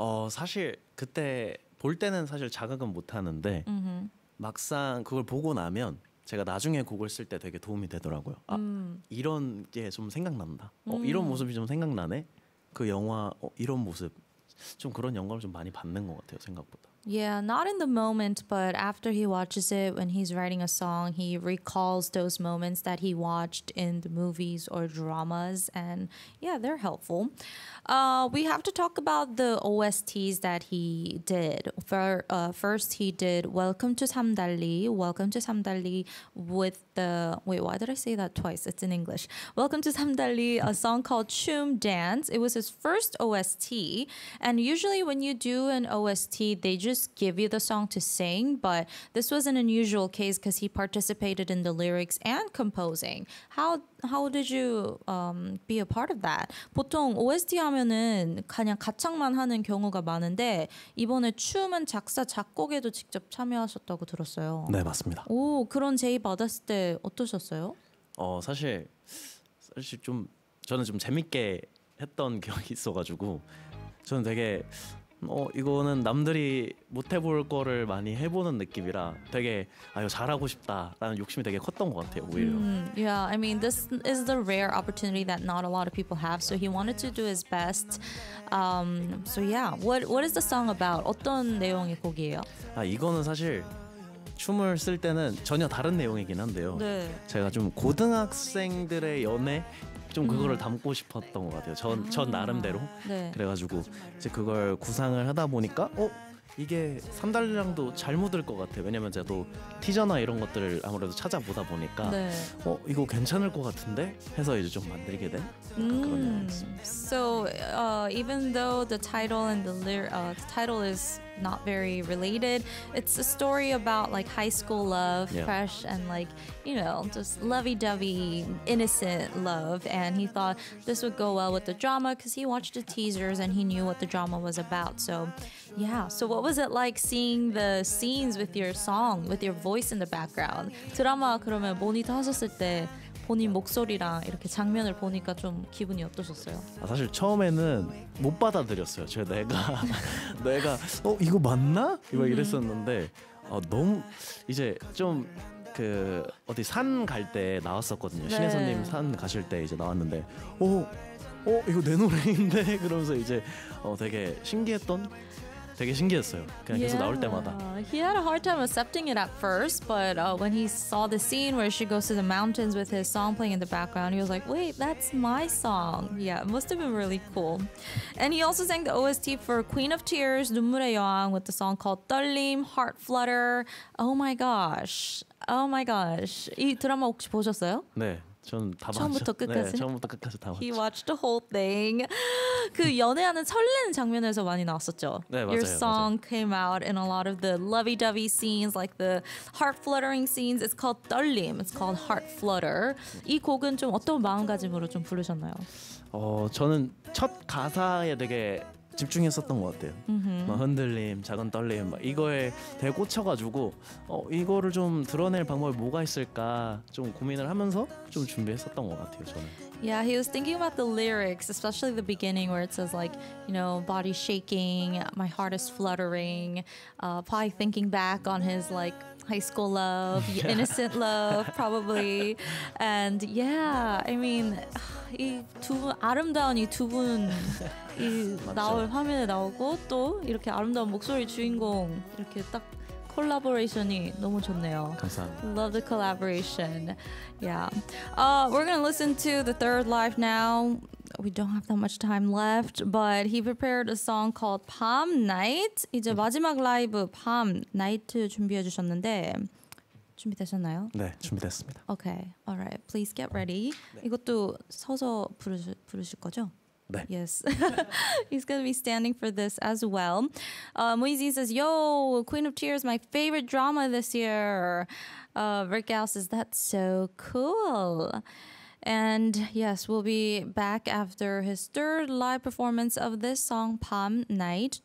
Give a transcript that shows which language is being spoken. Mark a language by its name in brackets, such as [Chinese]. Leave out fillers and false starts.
[Korean] 사실 그때 볼 때는 사실 자극은 못 하는데 막상 그걸 보고 나면 제가 나중에 곡을 쓸 때 되게 도움이 되더라고요. 이런 게 좀 생각난다. 이런 모습이 좀 생각나네. 그 영화 이런 모습 좀 그런 영감을 좀 많이 받는 것 같아요 생각보다. [English] Yeah, not in the moment, but after he watches it, when he's writing a song, he recalls those moments that he watched in the movies or dramas, and yeah, they're helpful. We have to talk about the OSTs that he did. First, he did Welcome to Samdali. Welcome to Samdali with the... Wait, why did I say that twice? It's in English. Welcome to Samdali, a song called Chum Dance. It was his first OST, and usually when you do an OST, they just give you the song to sing, but this was an unusual case because he participated in the lyrics and composing. How did you be a part of that? [Korean] 보통 OST 하면은 그냥 가창만 하는 경우가 많은데 이번에 춤은 작사 작곡에도 직접 참여하셨다고 들었어요. 네, 맞습니다. 오, 그런 제의 받았을 때 어떠셨어요? 사실 좀 저는 좀 재밌게 했던 기억이 있어 가지고 저는 되게 이거는 남들이 못 해볼 거를 많이 해보는 느낌이라 되게 아유 잘하고 싶다라는 욕심이 되게 컸던 것 같아요 오히려. [English] Yeah, I mean this is the rare opportunity that not a lot of people have. So he wanted to do his best. So yeah, what is the song about? [Korean] 어떤 내용의 곡이에요? 아 이거는 사실 춤을 쓸 때는 전혀 다른 내용이긴 한데요. 네. 제가 좀 고등학생들의 연애. 좀 그거를 담고 싶었던 것 같아요. 전 나름대로 네. 그래가지고 이제 그걸 구상을 하다 보니까 이게 3달량도 잘못 들 것 같아. 왜냐면 제가 또 티저나 이런 것들을 아무래도 찾아보다 보니까 네. 어 이거 괜찮을 것 같은데 해서 이제 좀 만들게 된 [English] So even though the title and the the title is not very related, it's a story about like high school love, yeah. fresh and like you know just lovey-dovey, innocent love. And he thought this would go well with the drama because he watched the teasers and he knew what the drama was about. So yeah. So what was it like seeing the scenes with your song, with your voice in the background? [Korean] 드라마 그러면 모니터 하셨을 때. 본인 목소리랑 이렇게 장면을 보니까 좀 기분이 어떠셨어요? 아, 사실 처음에는 못 받아들였어요. 제가 내가 어 이거 맞나? 이거 이랬었는데 너무 이제 좀 그 어디 산 갈 때 나왔었거든요. 네. 신혜선님 산 가실 때 이제 나왔는데 어 이거 내 노래인데 그러면서 이제 되게 신기했던. 되게 신기했어요. 그냥 yeah. 계속 나올 때마다. [English] He had a hard time accepting it at first, but when he saw the scene where she goes to the mountains with his song playing in the background, he was like, wait, that's my song. Yeah, it must have been really cool. And he also sang the OST for Queen of Tears, 눈물의 여왕, with the song called 떨림, Heart Flutter. Oh my gosh. Oh my gosh. [Korean] 이 드라마 혹시 보셨어요? 네. 전 다 봤죠. 처음부터 끝까지. 네, 처음부터 끝까지 다 봤죠. [English] He watched the whole thing. [Korean] 그 연애하는 설레는 장면에서 많이 나왔었죠. 네, 맞아요. [English] Your song [Korean] 맞아요. [English] came out in a lot of the lovey-dovey scenes, like the heart fluttering scenes. It's called 떨림. It's called Heart Flutter. [Korean] 이 곡은 좀 어떤 마음가짐으로 좀 부르셨나요? 저는 첫 가사에 되게 집중했었던 것 같아요. 막 흔들림, 작은 떨림, 막 이거에 되게 꽂혀가지고 이거를 좀 드러낼 방법이 뭐가 있을까 좀 고민을 하면서 좀 준비했었던 것 같아요, 저는. [English] Yeah, he was thinking about the lyrics, especially the beginning where it says like, you know, body shaking, my heart is fluttering, probably thinking back on his like high school love, innocent love, probably. And yeah, I mean, [Korean] 이 두 분, 아름다운 이 두 분 이 나올 화면에 나오고 또 이렇게 아름다운 목소리 주인공 이렇게 딱 콜라보레이션이 너무 좋네요. 감사합니다. [English] Love the collaboration. Yeah. We're going to listen to the third live now. We don't have that much time left, but he prepared a song called Palm Night. [Korean] 이제 마지막 라이브 Palm Night 준비해 주셨는데 준비되셨나요? 네, 준비됐습니다. [English] Okay. All right. Please get ready. 네. [Korean] 이것도 서서 부르실 거죠? 네. [English] Yes. He's going to be standing for this as well. Muizi says, yo, Queen of Tears, my favorite drama this year. Rick Gao says, that's so cool. And yes, we'll be back after his third live performance of this song, Palm Night.